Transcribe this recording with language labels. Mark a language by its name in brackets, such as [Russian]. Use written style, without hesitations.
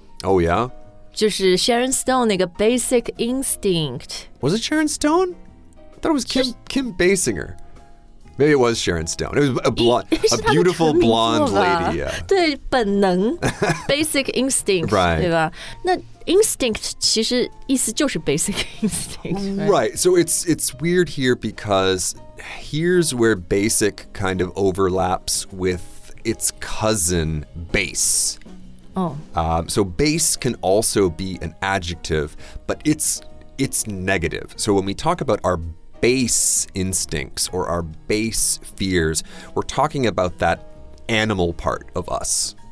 [English] Oh yeah? [Chinese] 就是 Sharon Stone 那个 Basic Instinct. [English] Was it Sharon Stone? I thought it was Kim Basinger. Maybe it was Sharon Stone. It was a blonde, a beautiful blonde lady. Yeah. [Chinese] 对，本能 Basic Instinct. [English] Right. [Chinese] 对吧？那Instinct 其实意思就是 [English] basic instinct. Right, so it's weird here because here's where basic kind of overlaps with its cousin, base. So base can also be an adjective, but it's negative. So when we talk about our base instincts or our base fears, we're talking about that animal part of us.